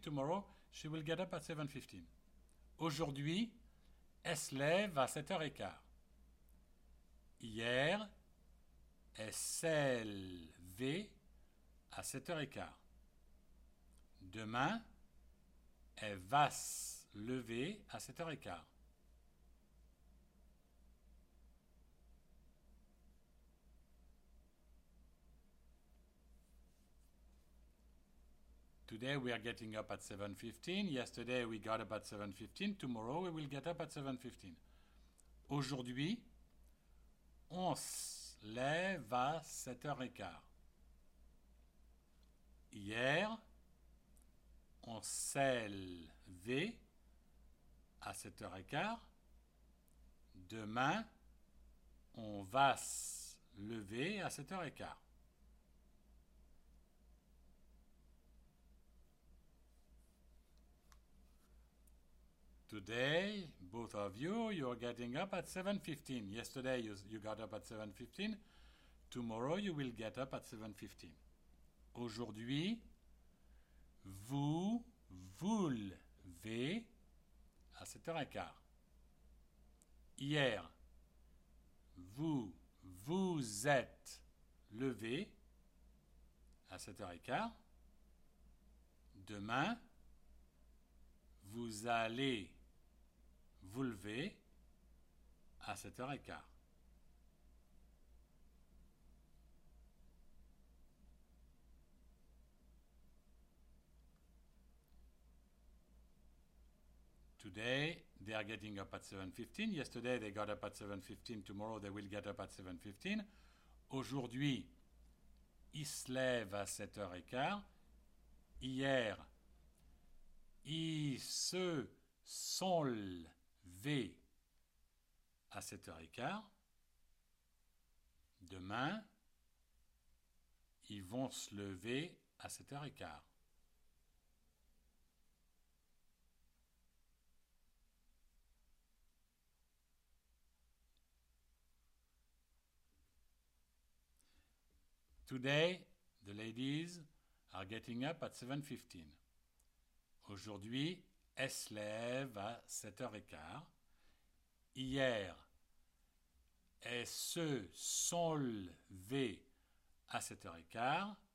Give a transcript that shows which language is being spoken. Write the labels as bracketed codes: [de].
[en] Tomorrow, she will get up at 7:15. [fr] Aujourd'hui, elle se lève à 7h15. Hier, elle s'élève à 7h15. Demain, elle va se lever à 7h15. [en] Today we are getting up at 7:15. Yesterday we got up at 7:15. Tomorrow we will get up at 7:15. [fr] Aujourd'hui, on se lève à 7h15. Hier, on s'est levé à 7h15. Demain, on va se lever à 7h15. [en] Today, both of you, you're getting up at 7:15. Yesterday, you got up at 7:15. Tomorrow, you will get up at 7:15. [fr] Aujourd'hui, vous vous levez à 7h15. Hier, vous vous êtes levé à 7h15. Demain, vous allez vous levez à 7h15. [en] Today, they are getting up at 7:15. Yesterday, they got up at 7:15. Tomorrow, they will get up at 7:15. [fr] Aujourd'hui, ils se lèvent à 7h15. Hier, ils se sont levés V à 7h15. Demain, ils vont se lever à 7h15. [en] Today, the ladies are getting up at 7:15. [fr] Aujourd'hui, elles se lèvent à 7h15. Hier, elles se sont levées à 7h15.